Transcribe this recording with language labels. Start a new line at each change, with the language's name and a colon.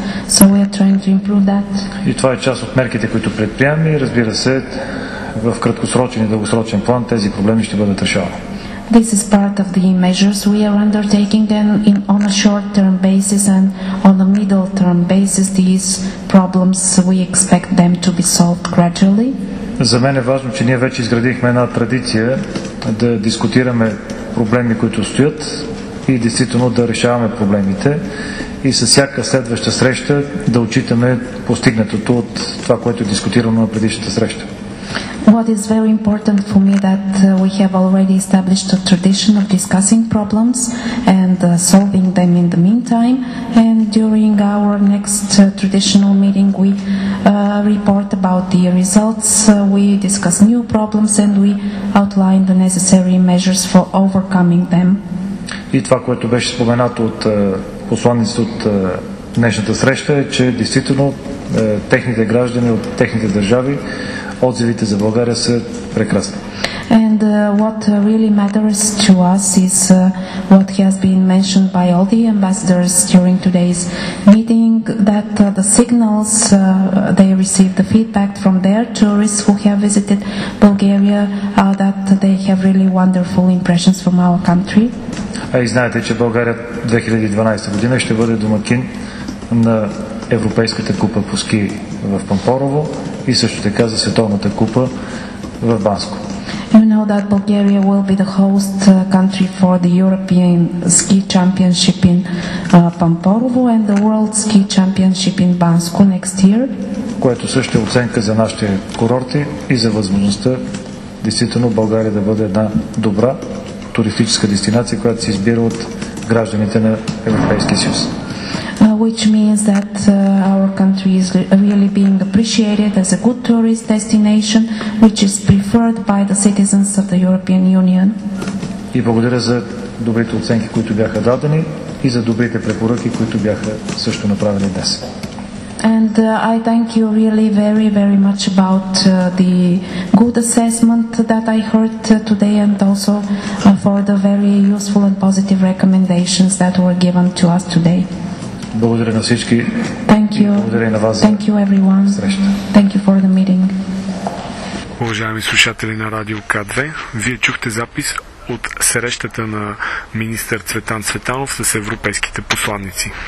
English: So we are trying to improve that.
Bulgarian: И това е част от мерките, които предприемаме, разбира се. В краткосрочен и дългосрочен план тези проблеми ще бъдат решавани.
English: This is part of the measures we are undertaking, and on a short-term basis and on a middle-term basis these problems we expect them to be solved gradually.
Bulgarian: За мен е важно, че ние вече изградихме една традиция да дискутираме проблеми, които стоят, и действително да решаваме проблемите, и с всяка следваща среща да отчитаме постигнатото от това, което дискутираме на предишната среща.
English: What is very important for me that we have already established a tradition of discussing problems and solving them in the meantime, and during our next traditional meeting we report about the results, we discuss new problems and we outline the necessary measures for overcoming them.
Bulgarian: И това, което беше споменато от посланиците от днешната среща, е, че действително техните граждани от техните държави, отзивите за България са прекрасни.
English: And what really matters to us is what has been mentioned by all the ambassadors during today's meeting, that the signals they received, the feedback from their tourists who have visited Bulgaria, that they have really wonderful impressions from our country.
Bulgarian: А и знаете, че България 2012 година ще бъде домакин на Европейската купа по ски в Пампорово и също така за Световната купа в Банско.
English: You know that Bulgaria will be the host country for the European Ski Championship in Pamporovo and the World Ski Championship in Banskoe next year.
Bulgarian: Което също е оценка за нашите курорти и за възможността действително България да бъде една добра туристическа дестинация, която се избира от гражданите на Европейския съюз.
English: which means that our country is really being appreciated as a good tourist destination, which is preferred by the citizens of the European Union.
Bulgarian: И благодаря за добрите оценки, които бяха дадени, и за добрите препоръки, които бяха също направени днес.
English: And I thank you really very, very much about the good assessment that I heard today and also for the very useful and positive recommendations that were given to us today.
Bulgarian: Благодаря на всички.
English: Thank you.
Bulgarian: Благодаря на вас.
English: Thank you everyone.
Bulgarian: Среща.
English: Thank you for the meeting.
Bulgarian: Уважаеми слушатели на Радио К2, вие чухте запис от срещата на министър Цветан Цветанов с европейските посланици.